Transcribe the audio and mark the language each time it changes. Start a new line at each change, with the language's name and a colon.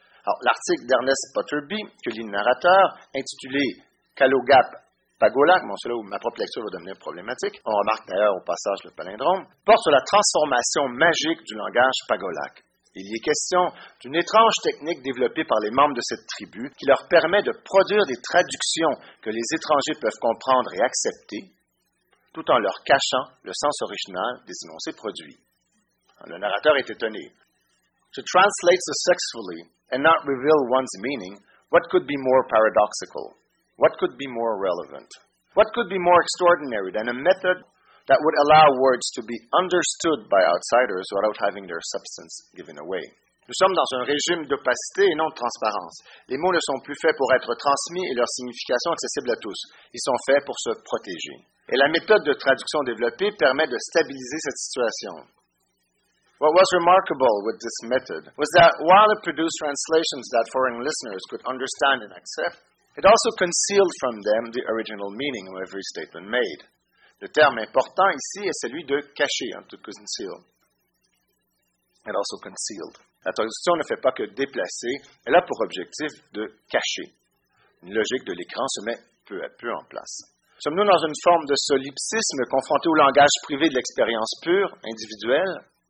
French: Alors, l'article d'Ernest Butterby, que lit le narrateur, intitulé « Calogap Pagolac », bon, c'est là où ma propre lecture va devenir problématique, on remarque d'ailleurs au passage le palindrome, porte sur la transformation magique du langage Pagolac. Il y est question d'une étrange technique développée par les membres de cette tribu qui leur permet de produire des traductions que les étrangers peuvent comprendre et accepter, tout en leur cachant le sens original des énoncés produits. Le narrateur est étonné.
English: To translate successfully and not reveal one's meaning, what could be more paradoxical? What could be more relevant? What could be more extraordinary than a method that would allow words to be understood by outsiders without having their substance given away.
French: Nous sommes dans un régime d'opacité et non de transparence. Les mots ne sont plus faits pour être transmis et leur signification accessible à tous. Ils sont faits pour se protéger. Et la méthode de traduction développée permet de stabiliser cette situation.
English: What was remarkable with this method was that while it produced translations that foreign listeners could understand and accept, it also concealed from them the original meaning of every statement made.
French: Le terme important ici est celui de cacher, hein,
English: to conceal. And also concealed.
French: La traduction ne fait pas que déplacer, elle a pour objectif de cacher. Une logique de l'écran se met peu à peu en place. Sommes-nous dans une forme de solipsisme confronté au langage privé de l'expérience pure, individuelle?